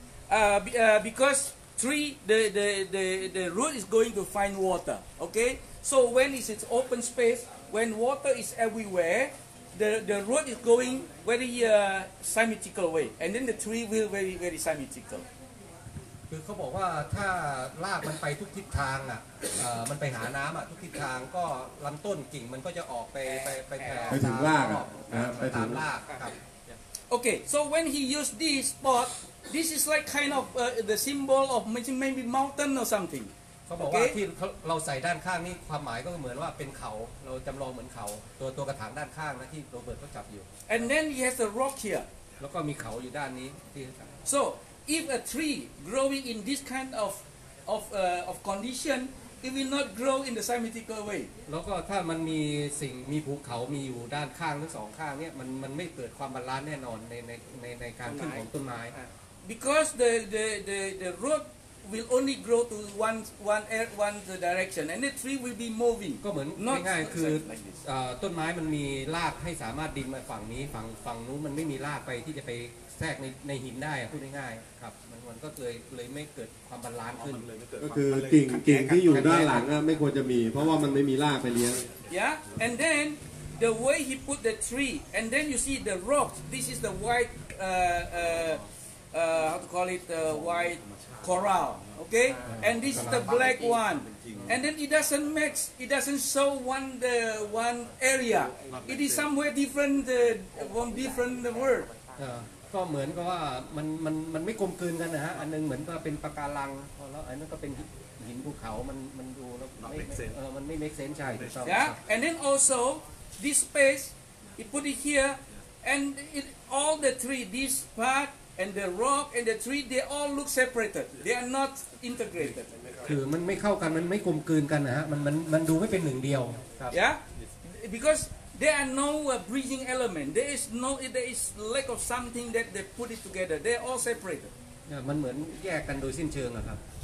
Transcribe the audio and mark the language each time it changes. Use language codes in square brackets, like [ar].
[en] Because tree, the root is going to find water, okay? So when is it open space, when water is everywhere, the root is going very symmetrical way, and then the tree will very very symmetrical. [th] คือเขาบอกว่าถ้ารากมันไปทุกทิศทางอ่ะมันไปหาน้ำอ่ะทุกทิศทางก็ลำต้นกิ่งมันก็จะออกไป ไปถึงราก ไปถึงรากครับ [en] Okay, so when he used this pot, this is like kind of the symbol of maybe mountain or something. [th] เขาบอกว่าที่เราใส่ด้านข้างนี่ความหมายก็เหมือนว่าเป็นเขาเราจำลองเหมือนเขาตัวกระถางด้านข้างนะที่โรเบิร์ตเขาจับอยู่ [en] and then he has a rock here [th] แล้วก็มีเขาอยู่ด้านนี้ [en] so if a tree growing in this kind of condition it will not grow in the symmetrical way [th] แล้วก็ถ้ามันมีสิ่งมีภูเขามีอยู่ด้านข้างทั้งสองข้างเนี่ยมันไม่เกิดความบาลานซ์แน่นอนในการขึ้นของต้นไม้ [en] because the rootwill only grow to one direction and the tree will be moving [th] ก็เหมือนง่ายๆคือต้นไม้มันมีรากให้สามารถดินมาฝั่งนี้ฝั่งนู้นมันไม่มีรากไปที่จะไปแทรกในหินได้พูดง่ายๆครับมันก็เลยไม่เกิดความบาลานซ์ขึ้น ก็คือกิ่งที่อยู่ด้านหลังไม่ควรจะมีเพราะว่ามันไม่มีรากไปเลี้ยง [en] yeah and then the way he put the tree and then you see the rock this is the white how to call it whitecoral okay and this is the black one and then it doesn't match it doesn't show one area it is somewhere different from different the world [th] ก็เหมือนกับว่ามันไม่กลมกลืนกันนะฮะอันนึงเหมือนกับเป็นปะการังแล้วอันนั้นก็เป็นหินภูเขามันดูแล้วมันไม่เมคเซนส์ใช่ [en] yeah and then also this space, he put it here, and it, all the three, this part, and the rock, and the tree, they all look separated. They are not integrated. [th] คือมันไม่เข้ากันมันไม่กลมกลืนกันนะฮะมันดูไม่เป็นหนึ่งเดียว [en] yeah because there are no bridging element, there is no, there is lack of something that they put it together, they all separated. [th] มันเหมือนแยกกันโดยสิ้นเชิงอะครับ